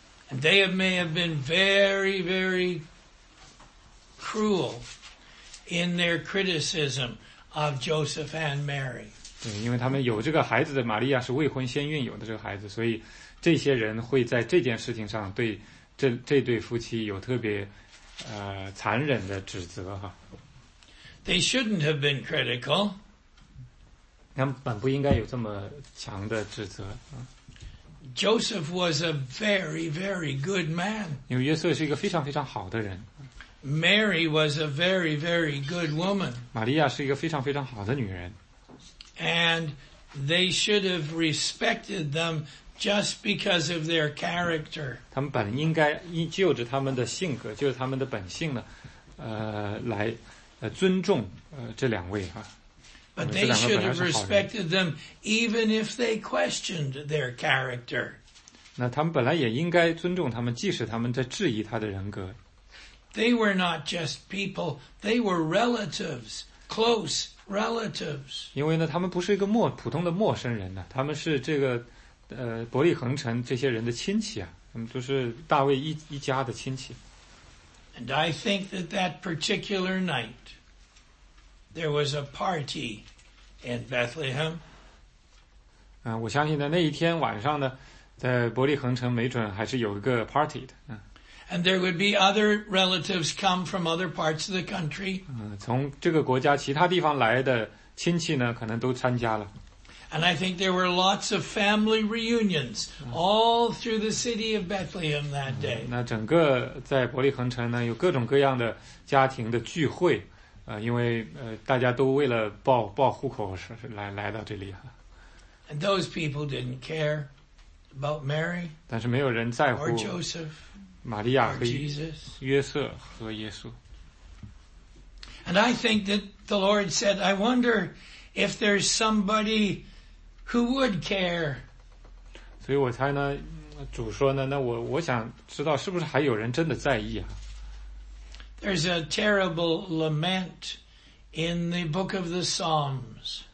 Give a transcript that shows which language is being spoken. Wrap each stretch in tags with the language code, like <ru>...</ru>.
<en>And they may have been very, very cruel in their criticism of Joseph and Mary.</en> <zh>对，因为他们有这个孩子的玛利亚是未婚先孕有的这个孩子，所以这些人会在这件事情上对这对夫妻有特别残忍的指责哈。</zh> <en>They shouldn't have been critical.</en> <zh>他们本不应该有这么强的指责。</zh> <en>Joseph was a very, very good man.</en> <zh>因为约瑟是一个非常非常好的人。</zh> <en>Mary was a very, very good woman.</en> <zh>玛利亚是一个非常非常好的女人。</zh> <en>And they should have respected them just because of their character.</en> <zh>他们本应该就着他们的性格，就着他们的本性呢，来尊重这两位啊。</zh> <en>But they should have respected them even if they questioned their character.</en> <zh>那他们本来也应该尊重他们，即使他们在质疑他的人格。</zh> <en>They were not just people, they were relatives, close relatives.</en> <zh>因为呢他们不是一个普通的陌生人呢，他们是这个伯利恒城这些人的亲戚啊，他们都是大卫一家的亲戚。</zh> <en>And I think that particular night,There was a party in Bethlehem.</en> <zh>我相信在那一天晚上呢，在伯利恒城没准还是有一个 party 的。</zh> <en>And there would be other relatives come from other parts of the country.</en> <zh>从这个国家其他地方来的亲戚呢，可能都参加了。</zh> <en>And I think there were lots of family reunions all through the city of Bethlehem that day.</en> <zh>那整个在伯利恒城呢，有各种各样的家庭的聚会。因为大家都为了报户口来到这里啊。</zh> <en>And those people didn't care about Mary.</en> <zh>但是没有人在乎。</zh> <en>Or Joseph.</en> <zh>玛利亚和</zh> <en>Jesus.</en> <zh>约瑟和耶稣。</zh> <en>And I think that the Lord said, I wonder if there's somebody who would care.</en> <zh>所以我猜呢，主说呢，那我想知道是不是还有人真的在意啊。</zh> <en>There's a terrible lament in the book of the Psalms.</en>